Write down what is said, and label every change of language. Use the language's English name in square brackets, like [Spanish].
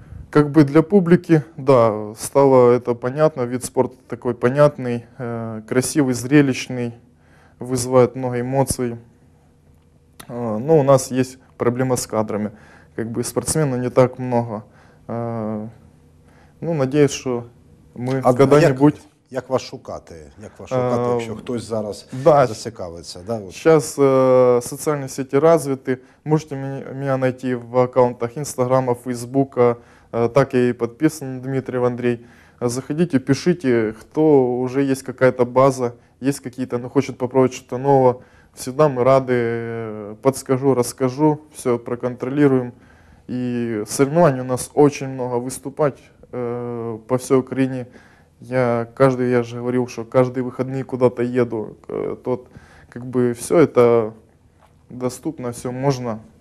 [Russian] Как бы для публики, да, стало это понятно, вид спорта такой понятный, красивый, зрелищный, вызывает много эмоций. Но у нас есть проблема с кадрами, как бы спортсменов не так много. Ну, надеюсь, что мы когда-нибудь... [Ukrainian] Як вас шукати? Як вас шукати, якщо хтось зараз зацікавиться? [Russian] Да, вот. [Ukrainian] Зараз соціальні сети розвиті. Можете мене знайти в аккаунтах Інстаграма, Фейсбука. Так я і підписаний, Дмитрий Андрій. Заходите, пишите, хто вже є якась база, є якісь, ну, хоче спробувати щось нове. [Russian] Всегда мы рады, подскажу, расскажу, все проконтролируем. И соревнований у нас очень много, выступать по всей Украине. Я же говорил, что каждый выходный куда-то еду. Тот, как бы, все это доступно, все можно.